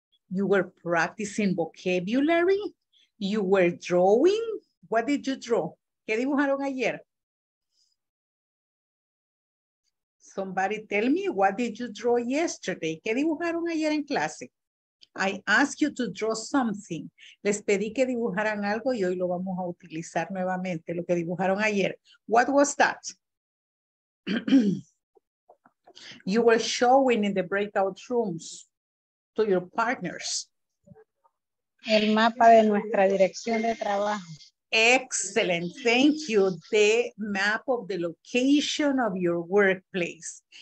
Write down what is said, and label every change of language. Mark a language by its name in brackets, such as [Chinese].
[English] You were practicing vocabulary. You were drawing. What did you draw? [Spanish] ¿Qué dibujaron ayer? [English] Somebody tell me, what did you draw yesterday? [Spanish] ¿Qué dibujaron ayer en clase? [English] I asked you to draw something. [Spanish] Les pedí que dibujaran algo y hoy lo vamos a utilizar nuevamente, lo que dibujaron ayer. [English] What was that? You were showing in the breakout rooms to your partners. [Spanish] El mapa de nuestra dirección de trabajo. [English] Excellent, thank you. The map of the location of your workplace.